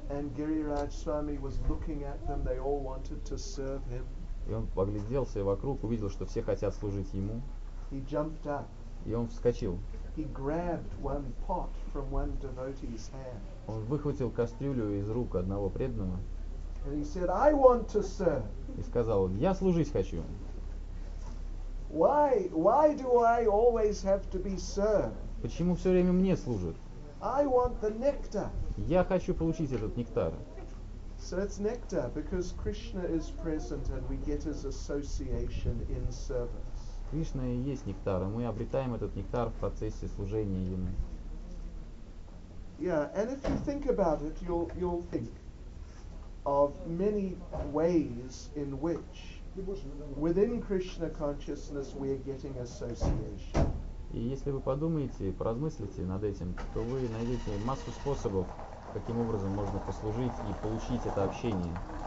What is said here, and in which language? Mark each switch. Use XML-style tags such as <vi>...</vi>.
<en>And Giriraj Swami was looking at them, they all wanted to serve him.</en> <ru>И он огляделся вокруг, увидел, что все хотят служить ему.</ru> <en>He jumped up.</en> <ru>И он вскочил.</ru> <en>He grabbed one pot from one devotee's hand.</en> <ru>Он выхватил кастрюлю из рук одного преданного.</ru> <en>And he said, I want to serve.</en> <ru>И сказал, я служить хочу.</ru> <en>Why do I always have to be served?</en> <ru>Почему все время мне служат?</ru> <en>I want the nectar.</en> <ru>Я хочу получить этот нектар.</ru> <en>So it's nectar because Krishna is present and we get his association in service.</en> <ru>Кришна и есть нектар, и мы обретаем этот нектар в процессе служения ему.</ru> <en>Yeah, and if you think about it, you'll think of many ways in which within Krishna consciousness we are getting association.</en> <ru>И если вы подумаете, поразмыслите над этим, то вы найдете массу способов, каким образом можно послужить и получить это общение.</ru>